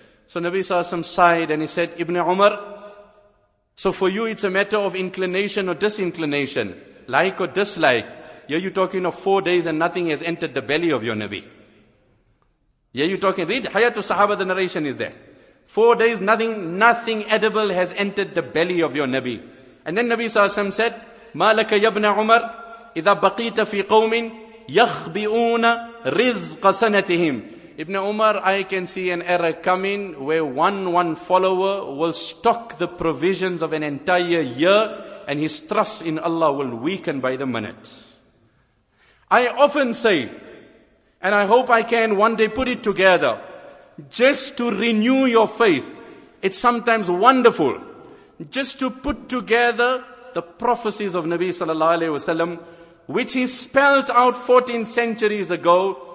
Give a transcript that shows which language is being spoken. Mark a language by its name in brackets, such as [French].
[English] So Nabi Sallallahu Alaihi Wasallam sighed and he said, Ibn Umar, so for you it's a matter of inclination or disinclination, like or dislike. Here you're talking of 4 days and nothing has entered the belly of your Nabi. Here you're talking, read Hayatul Sahaba, the narration is there. 4 days, nothing edible has entered the belly of your Nabi. And then Nabi Sallallahu Alaihi Wasallam said, [Arabic] مَا لَكَ يَبْنَ عُمَرْ إِذَا بَقِيتَ فِي قَوْمٍ يَخْبِئُونَ رِزْقَ سَنَتِهِمْ. [English] Ibn Umar, I can see an era coming where one follower will stock the provisions of an entire year and his trust in Allah will weaken by the minute. I often say, and I hope I can one day put it together, just to renew your faith, it's sometimes wonderful just to put together the prophecies of Nabi sallallahu alaihi wasallam, which he spelled out 14 centuries ago.